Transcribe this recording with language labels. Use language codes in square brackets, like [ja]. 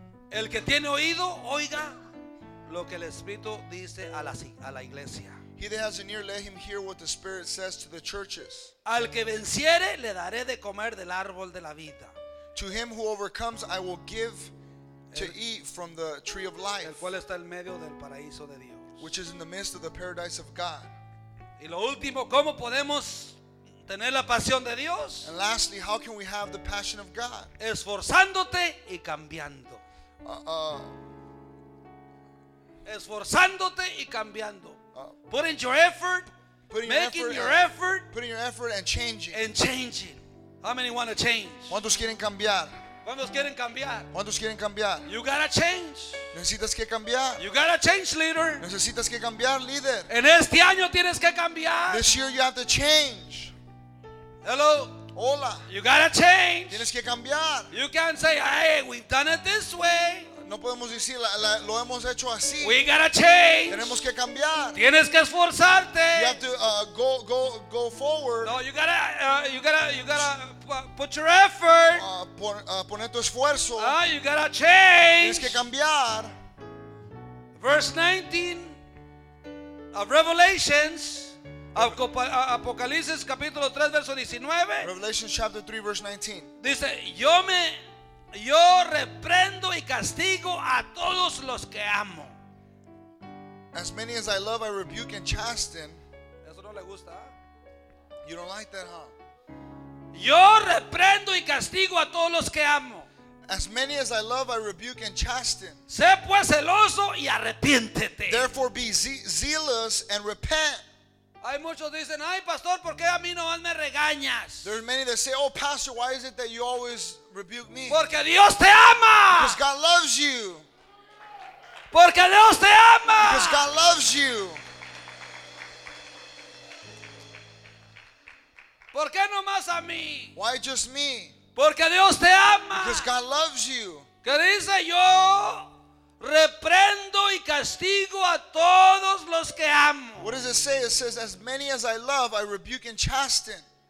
[es] El que tiene oído, oiga lo que el Espíritu dice a la iglesia. [en] He that has an ear, let him hear what the Spirit says to the churches. [es] Al que venciere, le daré de comer del árbol de la vida. [en] To him who overcomes, I will give to eat from the tree of life. [es] El cual está en medio del paraíso de Dios. [en] Which is in the midst of the paradise of God. [es] Y lo último, ¿cómo podemos tener la pasión de Dios? [en] And lastly, how can we have the passion of God? [es] Esforzándote y cambiando. Esforzándote y cambiando. [en] Putting your effort. Putting making effort, your effort. Putting your effort and changing. And changing. How many want to change? [es] ¿Cuántos quieren cambiar? ¿Cuántos quieren cambiar? ¿Cuántos quieren cambiar? [en] You gotta change. [es] Necesitas que cambiar. [en] You gotta change, leader. [es] Necesitas que cambiar, líder. En este año tienes que cambiar. [en] This year you have to change. Hello. [es] Hola. [en] You gotta change. [es] Tienes que cambiar. [en] You can't say, hey, we've done it this way. [es] No podemos decir lo hemos hecho así. [en] We gotta change. [es] Tenemos que cambiar. Tienes que esforzarte. [en] You have to go forward. No, you gotta put your effort. [es] Poner tu esfuerzo. [en] You gotta change. [es] Tienes que cambiar. [en] Verse 19 of Revelations. [es] Apocalipsis capítulo 3 verso 19. [en] Revelation chapter 3 verse 19. [es] Dice, yo reprendo y castigo a todos los que amo. [en] As many as I love, I rebuke and chasten. [es] Eso no le gusta. [en] You don't like that, huh? [es] Yo reprendo y castigo a todos los que amo. [en] As many as I love, I rebuke and chasten. [es] Sé pues celoso y arrepiéntete. [en] Therefore be zealous and repent. [es] Hay muchos dicen, ay pastor, ¿por qué a mí no me regañas? [en] There are many that say, oh pastor, why is it that you always rebuke me? [es] Porque Dios te ama. [en] Because God loves you. [es] Porque Dios te ama. [en] Because God loves you. [es] ¿Por qué no más a mí? [en] Why just me? [es] Porque Dios te ama. [en] Because God loves you. [es] ¿Qué dice? Yo reprendo y castigo a todos los que amo. [en] What does it say? It says, as many as I love, I rebuke and chasten.